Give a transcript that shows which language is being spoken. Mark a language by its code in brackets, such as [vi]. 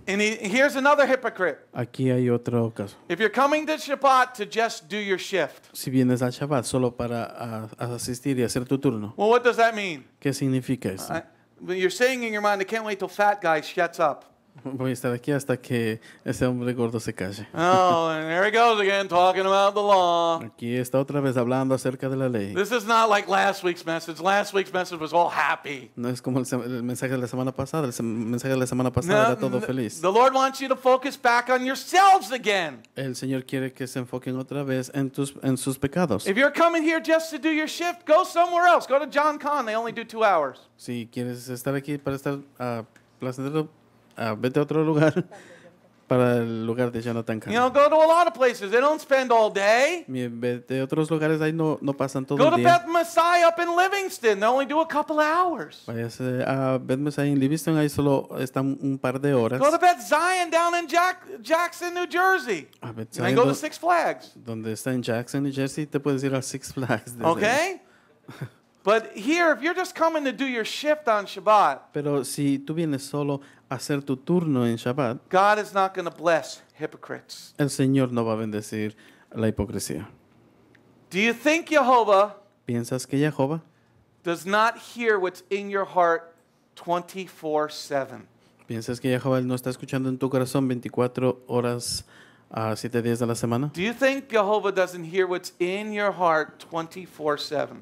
[en] And here's another hypocrite. [es] Aquí hay otro caso. [en] If you're coming to Shabbat to just do your shift. [es] Si vienes al Shabbat solo para asistir y hacer tu turno. [en] Well, what does that mean? [es] ¿Qué significa eso? [en] You're saying in your mind, I can't wait till fat guy shuts up. [es] Voy a estar aquí hasta que ese hombre gordo se calle. [en] Oh, and there he goes again, talking about the law. [es] Aquí está otra vez hablando acerca de la ley. [en] This is not like last week's message. Last week's message was all happy. [es] No es como el mensaje de la semana pasada. El mensaje de la semana pasada era todo feliz. [en] The Lord wants you to focus back on yourselves again. [es] El Señor quiere que se enfoquen otra vez en sus pecados. [en] If you're coming here just to do your shift, go somewhere else. Go to John Conn. They only do 2 hours. [es] Si quieres estar aquí para estar placentero, vete a otro lugar para el lugar de Jonathan Khan. [en] You know, go to a lot of places. They don't spend all day. [es] Vete a otros lugares. Ahí no pasan todo [en] go [es] el día. [en] Go to Beth Messiah up in Livingston. They only do a couple hours. [es] Váyase a Beth Messiah en Livingston. Ahí solo están un par de horas. [en] Go to Beth Zion down in Jackson, New Jersey. [es] A [en] Beth Zion. And go to Six Flags. [es] Donde está en Jackson, New Jersey, te puedes ir a Six Flags. [en] Okay. But here, if you're just coming to do your shift on Shabbat. [es] Pero si tú vienes solo hacer tu turno en Shabbat, [en] God is not going to bless hypocrites. [es] El Señor no va a bendecir la hipocresía. [en] Do you think Jehovah, [es] ¿piensas que Jehovah [en] does not hear what's in your heart 24/7? [es] ¿Piensas que Jehovah no está escuchando en tu corazón 24 horas a 7 días de la semana? [en] Do you think Jehovah doesn't hear what's in your heart 24/7?